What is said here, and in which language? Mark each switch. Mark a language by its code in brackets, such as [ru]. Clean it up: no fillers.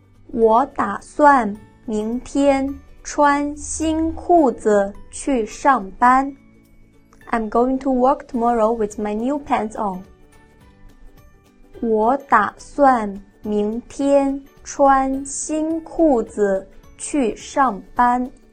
[zh] 我打算明天穿新裤子去上班。 [en] I'm going to work tomorrow with my new pants on. [zh] 我打算明天穿新裤子去上班。